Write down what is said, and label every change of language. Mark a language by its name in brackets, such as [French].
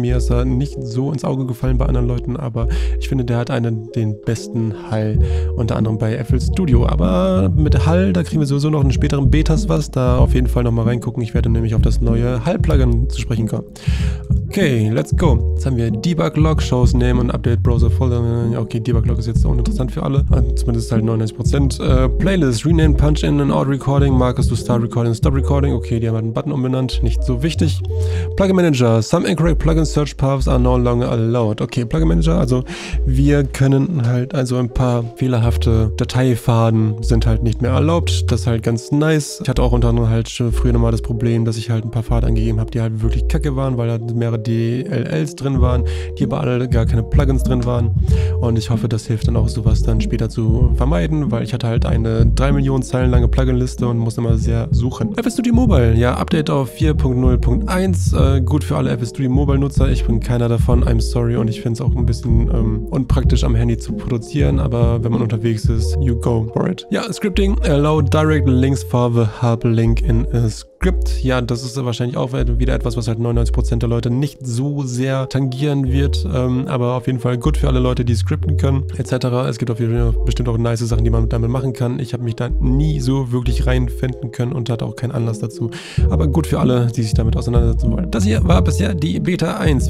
[German] Mir ist er nicht so ins Auge gefallen bei anderen Leuten, aber ich finde, der hat einen den besten Hall, unter anderem bei FL Studio. Aber mit Hall, da kriegen wir sowieso noch einen späteren Betas was. Da auf jeden Fall nochmal reingucken. Ich werde nämlich auf das neue Hall-Plugin zu sprechen kommen. Okay, [English] let's go. [German] Jetzt haben wir Debug-Log, Shows Name und Update Browser Folder. Okay, Debug-Log ist jetzt uninteressant für alle. Zumindest halt 99%. [English] Sind Playlist, Rename, Punch In and Out Recording, Markers to Start Recording, Stop Recording. [German] Okay, die haben halt einen Button umbenannt, nicht so wichtig. [English] Plugin Manager, some incorrect plugin search paths are no longer allowed. [German] Okay, Plugin Manager, also wir können halt, also ein paar fehlerhafte Dateifaden sind halt nicht mehr erlaubt. Das ist halt ganz nice. Ich hatte auch unter anderem halt früher nochmal das Problem, dass ich halt ein paar Pfade angegeben habe, die halt wirklich kacke waren, weil da mehrere DLLs drin waren, die aber alle gar keine Plugins drin waren. Und ich hoffe, das hilft dann auch sowas dann später zu vermeiden, weil ich hatte halt eine 3 Millionen Zeilen lange Plugin-Liste und musste immer sehr suchen. FL Studio Mobile, ja, Update auf 4.0.1, gut für alle FL Studio Mobile-Nutzer, ich bin keiner davon, [English] I'm sorry, [German] und ich finde es auch ein bisschen unpraktisch am Handy zu produzieren, aber wenn man unterwegs ist, [English] you go for it. Ja, Scripting, allow direct links for the hub link in a script. [German] Ja, das ist wahrscheinlich auch wieder etwas, was halt 99% der Leute nicht so sehr tangieren wird, aber auf jeden Fall gut für alle Leute, die scripten können, etc. Es gibt auf jeden Fall bestimmt auch nice Sachen, die man damit machen kann. Ich habe mich da nie so wirklich reinfinden können und hatte auch keinen Anlass dazu. Aber gut für alle, die sich damit auseinandersetzen wollen. Das hier war bisher die Beta 1.